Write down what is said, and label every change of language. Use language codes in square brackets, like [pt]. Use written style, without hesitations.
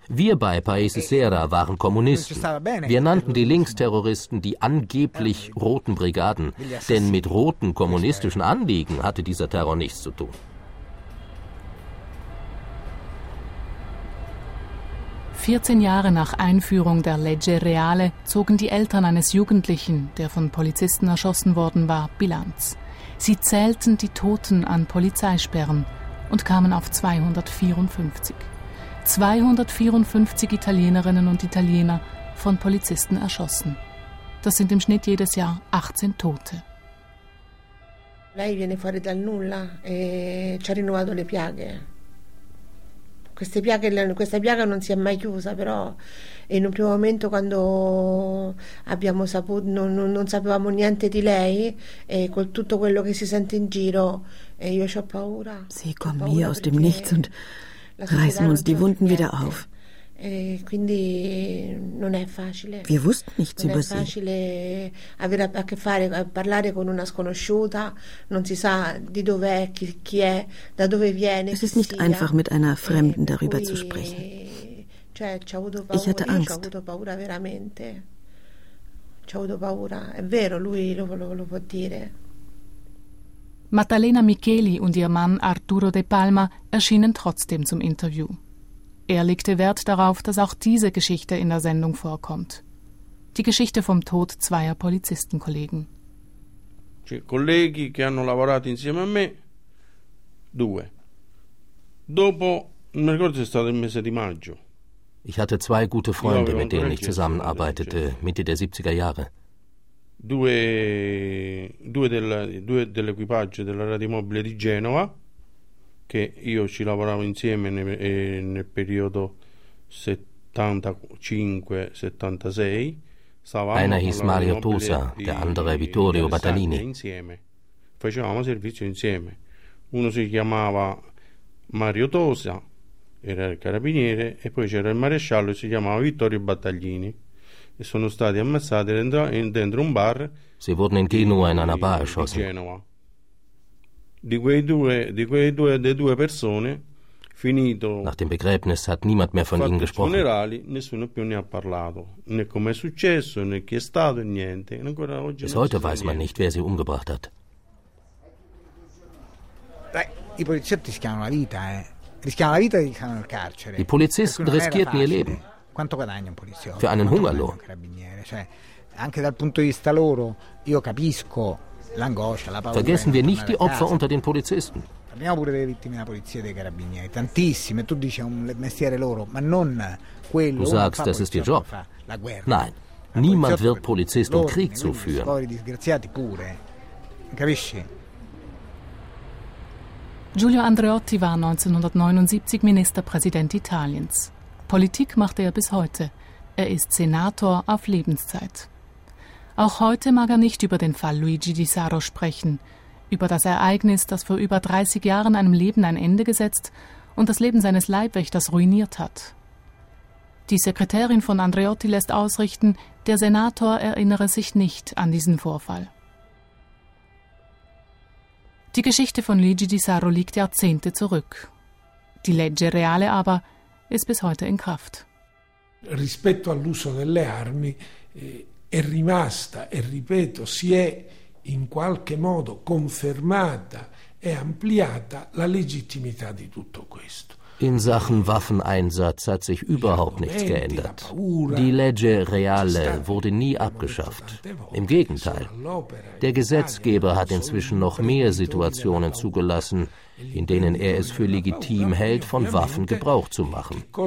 [de] Wir bei Paese Sera waren Kommunisten. Wir nannten die Linksterroristen die angeblich roten Brigaden, denn mit roten kommunistischen Anliegen hatte dieser Terror nichts zu tun. Vierzehn Jahre nach Einführung der Legge Reale zogen die Eltern eines Jugendlichen, der von Polizisten erschossen worden war, Bilanz. Sie zählten die Toten an Polizeisperren und kamen auf 254. 254 Italienerinnen und Italiener von Polizisten erschossen. Das sind im Schnitt jedes Jahr 18 Tote. [it] Lei viene fuori dal nulla e ci ha rinnovato le piaghe. Questa piaga non si è mai chiusa, però in un primo momento quando abbiamo saputo non sapevamo niente di lei e con tutto quello che si sente in giro e io ho paura. [de] Sie kommen hier aus dem Nichts und reißen uns die Wunden wieder auf. [it] Quindi non è facile. [de] Wir wussten nichts über sie. [it] Non è facile avere a che fare, a parlare con una sconosciuta, non si sa di dove è, chi è, da dove viene. [de] Es ist nicht einfach mit einer Fremden darüber zu sprechen. [it] Cioè, ho avuto paura veramente. C'ho avuto paura, è vero, lui lo può dire. [de] Maddalena Micheli und ihr Mann Arturo De Palma erschienen trotzdem zum Interview. Er legte Wert darauf, dass auch diese Geschichte in der Sendung vorkommt. Die Geschichte vom Tod zweier Polizistenkollegen. [it] Cioè, colleghi che hanno lavorato insieme a me, due. Dopo, non mi ricordo se è stato il mese di maggio. [de] Ich hatte zwei gute Freunde, mit denen ich zusammenarbeitete, Mitte der 70er Jahre. [it] Due dell'equipaggio della radiomobile di Genova, che io ci lavoravo insieme nel periodo 75-76. Stavamo [de] einer hieß Mario Tosa, der andere Vittorio Battalini. [it] Insieme. Facevamo servizio insieme. Uno si chiamava Mario Tosa, era il carabiniere, e poi c'era il maresciallo e si chiamava Vittorio Battaglini. E sono stati ammazzati dentro un bar. [de] Sie wurden in Genua in einer Bar erschossen. [it] Genova. Di quei due persone, finito. [de] Nach dem Begräbnis hat niemand mehr von ihnen gesprochen. [it] Funerali, nessuno più ne ha parlato. Né come è successo, né chi è stato, niente. Ancora oggi. [de] Bis heute weiß man nicht, wer sie umgebracht hat. [it] I poliziotti rischiano la vita, Rischiano la vita e rischiano il carcere. [de] Die Polizisten riskierten ihr Leben. [it] Quanto guadagna un poliziotto? [de] Für einen Hungerlohn. [it] Cioè, anche dal punto di vista loro, io capisco. [de] Vergessen wir nicht die Opfer unter den Polizisten. [it] Parliamo pure delle vittime della polizia, dei carabinieri, tantissime. Tu dici un mestiere loro, ma non quello. [de] Du sagst, das ist ihr Job. Nein, niemand wird Polizist, um Krieg zu führen. [it] Poveri disgraziati pure, capisci? [de] Giulio Andreotti war 1979 Ministerpräsident Italiens. Politik machte er bis heute. Er ist Senator auf Lebenszeit. Auch heute mag er nicht über den Fall Luigi Di Saro sprechen, über das Ereignis, das vor über 30 Jahren einem Leben ein Ende gesetzt und das Leben seines Leibwächters ruiniert hat. Die Sekretärin von Andreotti lässt ausrichten, der Senator erinnere sich nicht an diesen Vorfall. Die Geschichte von Luigi Di Saro liegt Jahrzehnte zurück. Die Legge Reale aber ist bis heute in Kraft. [it] Rispetto all'uso delle armi, è rimasta e ripeto si è in qualche modo confermata e ampliata la legittimità di tutto questo. [de] In Sachen Waffeneinsatz hat sich überhaupt nichts geändert. Die Legge Reale wurde nie abgeschafft. Im Gegenteil. Der Gesetzgeber hat inzwischen noch mehr Situationen zugelassen, in denen er es für legitim hält, von Waffen Gebrauch zu machen.